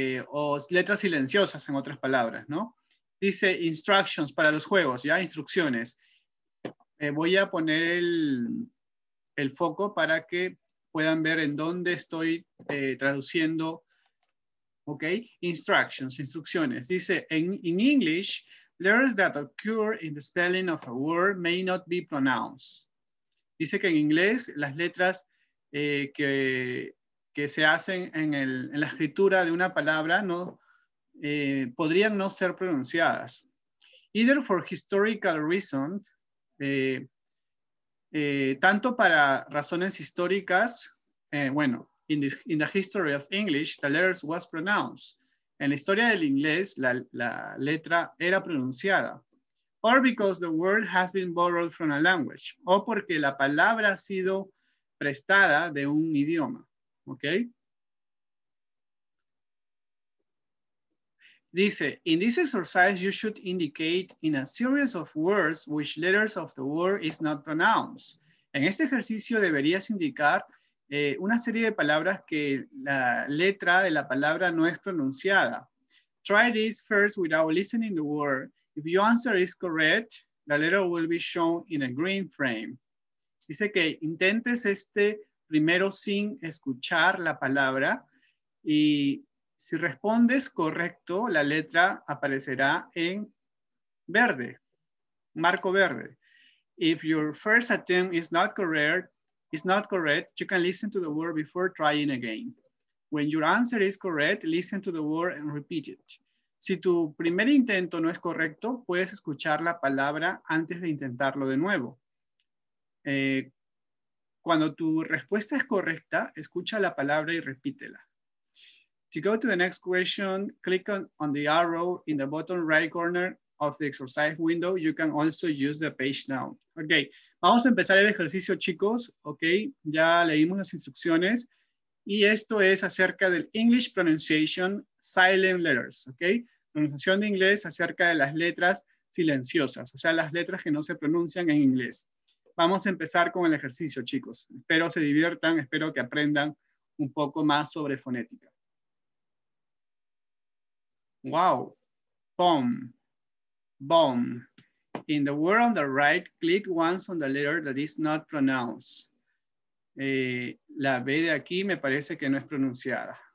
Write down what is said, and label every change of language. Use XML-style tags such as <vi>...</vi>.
<es>O letras silenciosas, en otras palabras, ¿no? Dice instructions para los juegos, ¿ya? Instrucciones. Voy a poner el foco para que puedan ver en dónde estoy traduciendo. Ok, instrucciones. Dice,</es> <en>in English, letters that occur in the spelling of a word may not be pronounced.</en> <es>Dice que en inglés las letras que se hacen en la escritura de una palabra podrían no ser pronunciadas.</es> <en>Either for historical reasons,</en> <es>tanto para razones históricas,</es> <en>in the history of English, the letters was pronounced.</en> <es>En la historia del inglés, la letra era pronunciada.</es> <en>Or because the word has been borrowed from a language.</en> <es>O porque la palabra ha sido prestada de un idioma. ¿Ok?</es> <en>Dice, in this exercise, you should indicate in a series of words which letters of the word is not pronounced.</en> <es>En este ejercicio deberías indicar una serie de palabras que la letra de la palabra no es pronunciada.</es> <en>Try this first without listening the word. If your answer is correct, the letter will be shown in a green frame.</en> <es>Dice que intentes este primero sin escuchar la palabra y si respondes correcto, la letra aparecerá en verde, marco verde.</es> <en>If your first attempt is not correct, you can listen to the word before trying again. When your answer is correct, listen to the word and repeat it.</en> <es>Si tu primer intento no es correcto, puedes escuchar la palabra antes de intentarlo de nuevo. Cuando tu respuesta es correcta, escucha la palabra y repítela.</es> <en>To go to the next question, click on the arrow in the bottom right corner of the exercise window. You can also use the page now.</en> <es>Ok, vamos a empezar el ejercicio, chicos. Ok, ya leímos las instrucciones. Y esto es acerca del English pronunciation silent letters. Ok, pronunciación de inglés acerca de las letras silenciosas. O sea, las letras que no se pronuncian en inglés. Vamos a empezar con el ejercicio, chicos. Espero se diviertan, espero que aprendan un poco más sobre fonética.</es> <en>Wow, bomb, bomb. In the word on the right, click once on the letter that is not pronounced.</en> <es>La B de aquí me parece que no es pronunciada.</es>